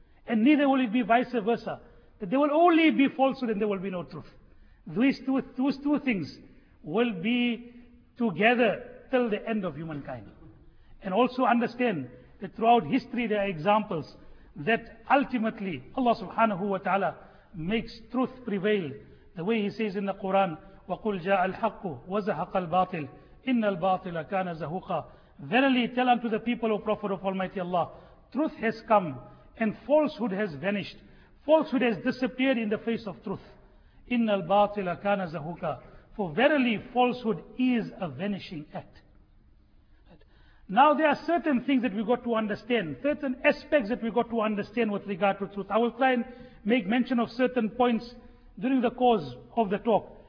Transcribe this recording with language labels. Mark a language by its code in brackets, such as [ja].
[en] And neither will it be vice versa, that there will only be falsehood and there will be no truth. Those two things will be together till the end of humankind. And also understand that throughout history there are examples that ultimately Allah subhanahu wa ta'ala makes truth prevail. The way he says in the Quran, [ar] وَقُلْ جَاءَ الْحَقُّ وَزَهَقَ الْبَاطِلِ إِنَّ الْبَاطِلَ كَانَ زَهُقًا. [en] Verily tell unto the people, O Prophet of Almighty Allah, truth has come and falsehood has vanished. Falsehood has disappeared in the face of truth. [ar] إِنَّ الْبَاطِلَ كَانَ زَهُقًا. [en] For verily falsehood is a vanishing act. Now there are certain things that we got to understand, certain aspects that we got to understand with regard to truth. I will try and make mention of certain points during the course of the talk.